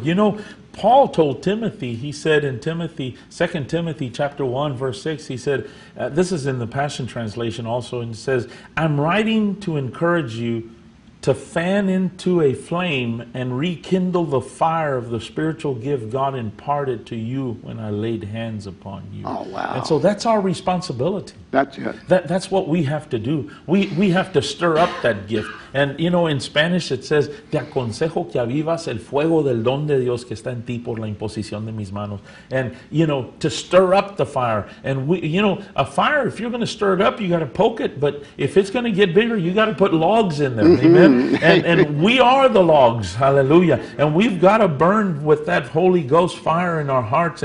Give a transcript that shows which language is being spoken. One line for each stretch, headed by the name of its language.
English: You know, Paul told Timothy, he said in Timothy, 2 Timothy chapter 1, verse 6, he said, this is in the Passion Translation also, and it says, I'm writing to encourage you to fan into a flame and rekindle the fire of the spiritual gift God imparted to you when I laid hands upon you. Oh, wow. And so that's our responsibility. That's it. That's what we have to do. We have to stir up that gift. And, you know, in Spanish it says,
Spanish: te aconsejo que avivas el fuego del don de Dios que está en ti por la imposición de mis manos.
English: And, you know, to stir up the fire. And, you know, a fire, if you're going to stir it up, you got to poke it. But if it's going to get bigger, you got to put logs in there. Mm-hmm. Amen. And we are the logs. Hallelujah. And we've got to burn with that Holy Ghost fire in our hearts.